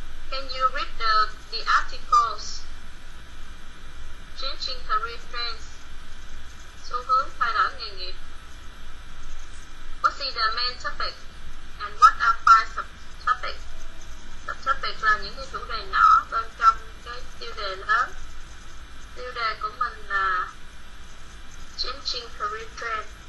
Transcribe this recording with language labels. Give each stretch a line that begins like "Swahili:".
English: Can you read the articles? Changing career trends.
Vietnamese: Xu hướng thay đổi nghề nghiệp.
English: What is the main topic and what are five subtopics?
Vietnamese: Subtopic là những cái chủ đề nhỏ bên trong cái tiêu đề lớn. Tiêu đề của mình là Changing Career Trend.